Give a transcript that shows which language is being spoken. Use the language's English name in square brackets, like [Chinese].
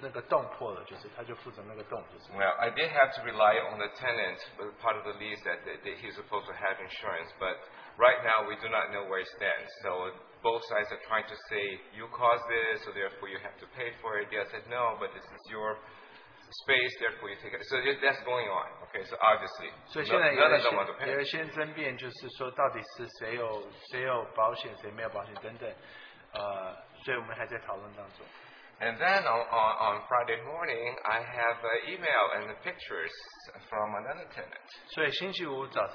[Chinese] 那公寓他只负责那个墙壁里的，就是那个洞破了，就是他就负责那个洞，就是。 [English] Well, I did have to rely on the tenant, but part of the lease that he's supposed to have insurance. But right now we do not know where it stands. So both sides are trying to say you caused this, so therefore you have to pay for it. Yeah, I said no, but this is your space, therefore you take it. So that's going on. Okay, so obviously. [Chinese] 所以现在有人先争辩，就是说到底是谁有保险，谁没有保险等等。 [English] And then on Friday morning, I have an email and pictures from another tenant.